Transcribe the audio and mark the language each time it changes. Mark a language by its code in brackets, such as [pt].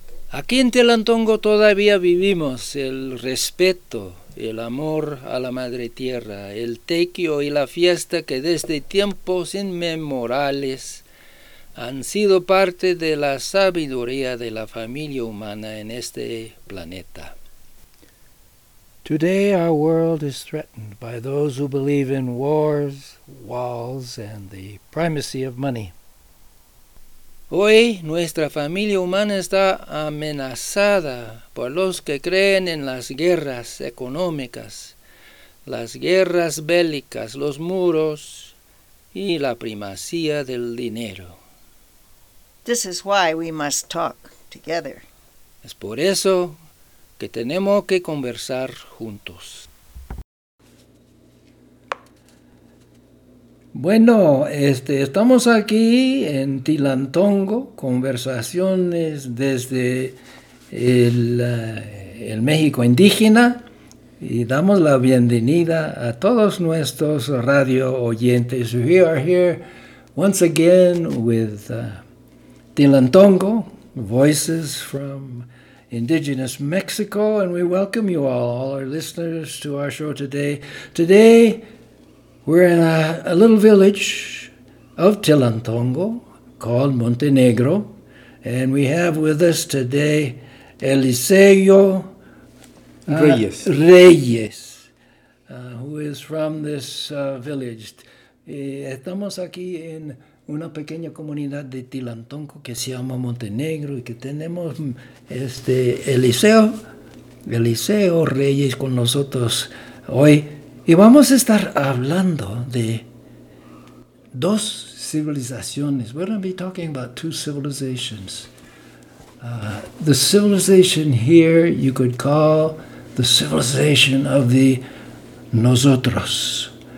[es] Aquí en Tilantongo todavía vivimos el respeto, el amor a la madre tierra, el tequio y la fiesta que desde tiempos inmemorables han sido parte de la sabiduría de la familia humana en este planeta. [en] Today our world is threatened by those who believe in wars, walls, and the primacy of money. [es] Hoy nuestra familia humana está amenazada por los que creen en las guerras económicas, las guerras bélicas, los muros y la primacía del dinero. [en] This is why we must talk together. [es] Es por eso que tenemos que conversar juntos. Bueno, estamos aquí en Tilantongo, conversaciones desde el México indígena, y damos la bienvenida a todos nuestros radio oyentes. [en] We are here once again with Tilantongo, voices from Indigenous Mexico, and we welcome you all our listeners to our show today. Today, we're in a little village of Tilantongo called Montenegro, and we have with us today Eliseo Reyes, who is from this village. [es] Estamos aquí en una pequeña comunidad de Tilantongo que se llama Montenegro y que tenemos Eliseo Reyes con nosotros hoy. Y vamos a estar hablando de dos civilizaciones. [en] We're going to be talking about two civilizations. The civilization here you could call the civilization of the nosotros.